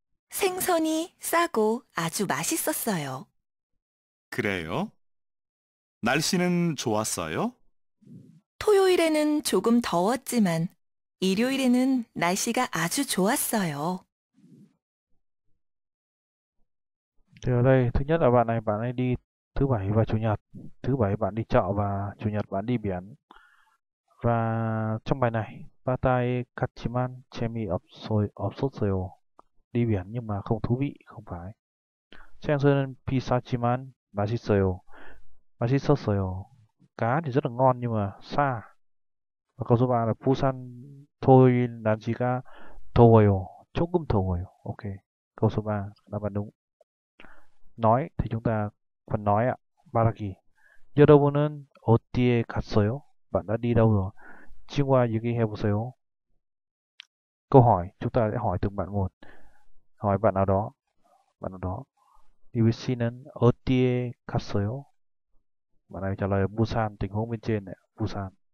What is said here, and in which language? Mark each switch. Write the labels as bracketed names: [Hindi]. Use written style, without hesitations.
[Korean] 생선이 싸고 아주 맛있었어요. 그래요? 날씨는 좋았어요? 토요일에는 조금 더웠지만 일요일에는 날씨가 아주 좋았어요. [Vietnamese] 네, 오늘 thứ nhất là bạn ấy đi thứ bảy và chủ nhật. Thứ bảy bạn đi chợ và chủ nhật bạn đi biển. Và trong bài này, [Korean] 바다에 갔지만 재미없었어요. [Vietnamese] Đi biển nhưng mà không thú vị, không phải. [Korean] 생선은 비쌌지만 맛있어요. 맛있었어요. [Vietnamese] Cá thì rất là ngon nhưng mà xa. Và câu số 3 là [Korean] 부산 토요일 날씨가 더워요. 조금 더워요. [Vietnamese] Ok. Câu số 3 đáp án đúng. Nói thì chúng ta phần nói ạ. [Korean] 말하기. 여러분은 어디에 갔어요? [Vietnamese] Bạn đã đi đâu rồi? [Korean] 친구와 얘기해 보세요. [Vietnamese] Câu hỏi, chúng ta sẽ hỏi từng bạn một. Hỏi bạn nào đó. Bạn nào đó. [Korean] 당신은 어디에 갔어요? [Vietnamese] Bạn này trả lời Busan, tình huống bên trên này, Busan.